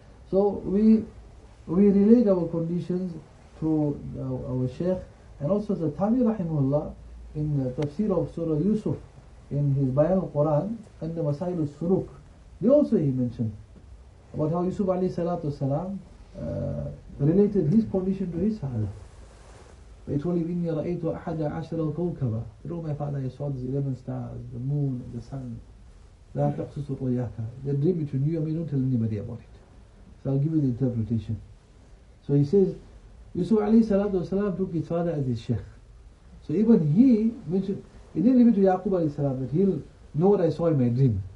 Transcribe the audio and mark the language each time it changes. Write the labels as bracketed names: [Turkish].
[English] So we relayed our conditions to our Shaykh. And also the Tabi rahimahullah, in the tafsir of Surah Yusuf, in his Bayan al-Quran, and the Masail al-Suruk, they also he mentioned about how Yusuf alayhi salatu wasalam related his condition to his father. They told him, [Arabic] إِنِّي رَأَيْتُ أَحَدَ عَشَرَ الْكَوْكَبَ. [English] Oh my father, I saw these 11 stars, the moon, the sun. [Arabic] لَا تَقْسُسُ رُيَاكَ. [English] The dream between you and me, don't tell anybody about it. So I'll give you the interpretation. So he says, Yusuf alayhi salatu wasalam took his father as his sheikh. So even he mentioned, he didn't leave it to Yaqub alayhi salam that he'll know what I saw in my dream.